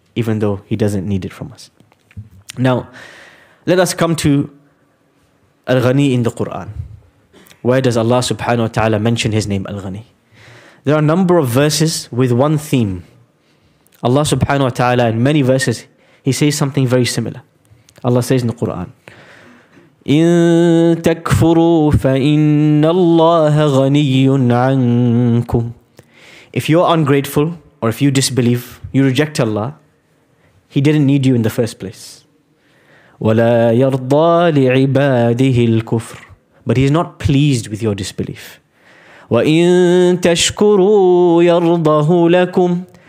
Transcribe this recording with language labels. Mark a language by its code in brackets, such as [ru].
[en] Even though He doesn't need it from us. Now, let us come to Al-Ghani in the Quran. Where does Allah subhanahu wa ta'ala mention His name Al-Ghani? There are a number of verses with one theme. Allah subhanahu wa ta'ala in many verses, He says something very similar. Allah says in the Quran, [ar] إِن تَكْفُرُوا فَإِنَّ اللَّهَ غَنِيٌّ عَنْكُمْ. [en] If you're ungrateful or if you disbelieve, you reject Allah, He didn't need you in the first place. [ar] وَلَا يَرْضَى لِعِبَادِهِ الْكُفْرِ. [en] But He is not pleased with your disbelief. [ar] وَإِن تَشْكُرُوا يَرْضَهُ لَكُمْ.